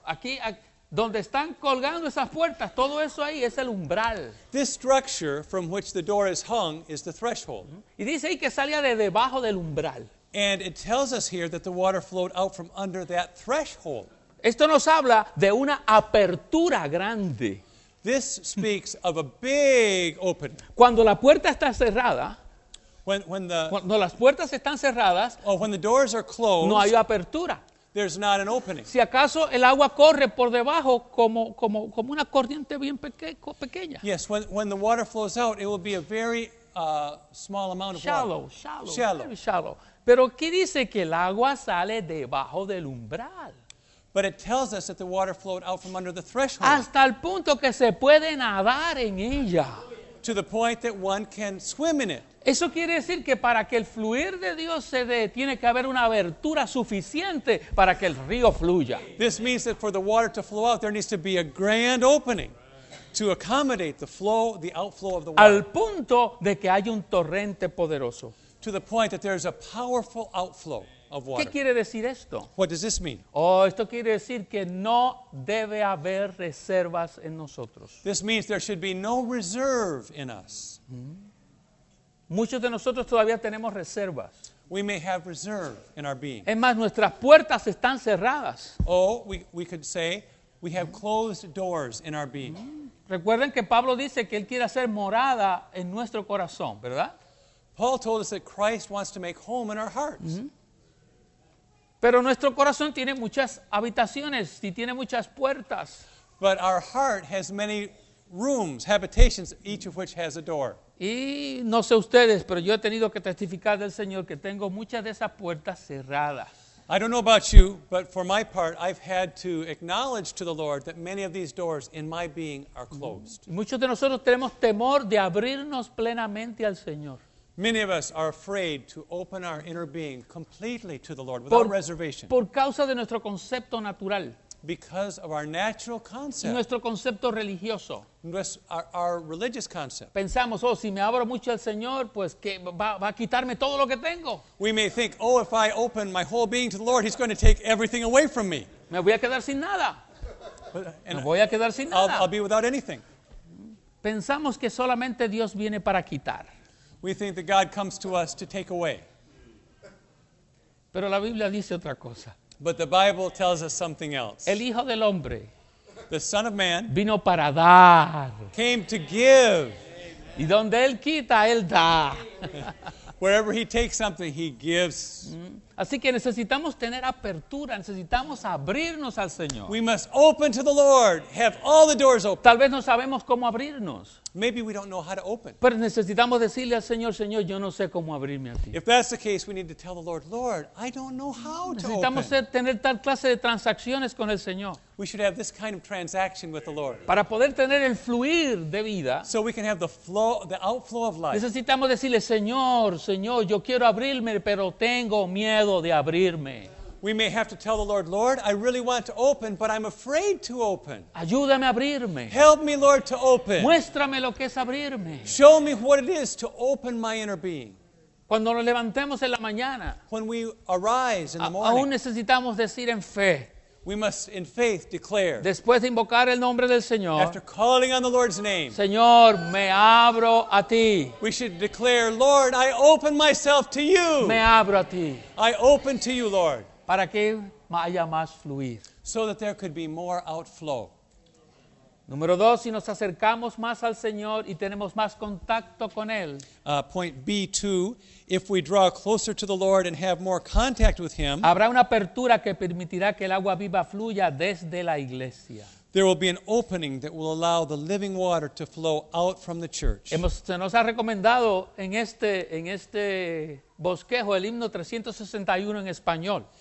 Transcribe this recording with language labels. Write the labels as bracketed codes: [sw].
[es] Aquí donde están colgando esas puertas, todo eso ahí es el umbral. [en] This structure from which the door is hung is the threshold. [es] Y dice ahí que salía de debajo del umbral. [en] And it tells us here that the water flowed out from under that threshold. [es] Esto nos habla de una apertura grande. [en] This speaks of a big opening. [es] Cuando la puerta está cerrada, cuando las puertas están cerradas, [en] when the doors are closed, [es] no hay apertura. [en] There's not an opening. [es] Si acaso el agua corre por debajo como una corriente bien pequeña. [en] Yes, when the water flows out, it will be a very small amount of shallow, water. Shallow, very shallow. [es] Pero aquí dice que el agua sale debajo del umbral. [en] But it tells us that the water flowed out from under the threshold. [es] Hasta el punto que se puede nadar en ella. [en] To the point that one can swim in it. [es] Eso quiere decir que para que el fluir de Dios se dé, tiene que haber una abertura suficiente para que el río fluya. [en] This means that for the water to flow out, there needs to be a grand opening to accommodate the flow, the outflow of the water. [es] Al punto de que haya un torrente poderoso. [en] To the point that there is a powerful outflow of water. [es] ¿Qué quiere decir esto? [en] What does this mean? [es] Oh, esto quiere decir que no debe haber reservas en nosotros. [en] This means there should be no reserve in us. [es] Muchos de nosotros todavía tenemos reservas. [en] We may have reserve in our being. [es] Es más, nuestras puertas están cerradas. [en] Oh, we could say we have closed doors in our being. [es] Recuerden que Pablo dice que él quiere hacer morada en nuestro corazón, ¿verdad? [en] Paul told us that Christ wants to make home in our hearts. [es] Pero nuestro corazón tiene muchas habitaciones y tiene muchas puertas. [en] But our heart has many rooms, habitations, each of which has a door. [es] Y no sé ustedes, pero yo he tenido que testificar del Señor que tengo muchas de esas puertas cerradas. [en] I don't know about you, but for my part, I've had to acknowledge to the Lord that many of these doors in my being are closed. [es] Muchos de nosotros tenemos temor de abrirnos plenamente al Señor. [en] Many of us are afraid to open our inner being completely to the Lord without reservation. [es] Por causa de nuestro concepto natural. [en] Because of our natural concept. [es] Nuestro concepto religioso. [en] Our religious concept. [es] Pensamos, oh, si me abro mucho al Señor, pues que va a quitarme todo lo que tengo. [en] We may think, oh, if I open my whole being to the Lord, he's going to take everything away from me. [es] Me voy a quedar sin nada. [en] I'll be without anything. [es] Pensamos que solamente Dios viene para quitar. [en] We think that God comes to us to take away. [es] Pero la Biblia dice otra cosa. [en] But the Bible tells us something else. [es] El Hijo del Hombre. [en] The Son of Man. [es] Vino para dar. [en] Came to give. [es] Y donde él quita, él da. [en] Wherever he takes something, he gives. [es] Así que necesitamos tener apertura, necesitamos abrirnos al Señor. [en] We must open to the Lord, have all the doors open. [es] Tal vez no sabemos cómo abrirnos. [en] Maybe we don't know how to open. [es] Pero necesitamos decirle al Señor, Señor, yo no sé cómo abrirme a ti. [en] If that's the case, we need to tell the Lord, Lord, I don't know how to open. [es] Necesitamos tener tal clase de transacciones con el Señor. [en] We should have this kind of transaction with the Lord. [es] Para poder tener el fluir de vida. [en] So we can have the flow, the outflow of life. [es] Necesitamos decirle, Señor, Señor, yo quiero abrirme, pero tengo miedo. De abrirme. [en] We may have to tell the Lord, Lord, I really want to open, but I'm afraid to open. [es] Ayúdame a abrirme. [en] Help me, Lord, to open. [es] Muéstrame lo que es abrirme. [en] Show me what it is to open my inner being. [es] Cuando nos levantemos en la mañana, [en] when we arise in the morning, [es] aún necesitamos decir en fe. [en] We must, in faith, declare. [es] Después de invocar el nombre del Señor, [en] after calling on the Lord's name, [es] Señor, me abro a ti. [en] We should declare, Lord, I open myself to you. [es] Me abro a ti. [en] I open to you, Lord. [es] Para que haya más fluir. [en] So that there could be more outflow. [es] Número dos, si nos acercamos más al Señor y tenemos más contacto con Él. [en] Point B2, if we draw closer to the Lord and have more contact with Him. [es] Habrá una apertura que permitirá que el agua viva fluya desde la iglesia. [en] There will be an opening that will allow the living water to flow out from the church. [es] Se nos ha recomendado en este bosquejo el himno 361 en español.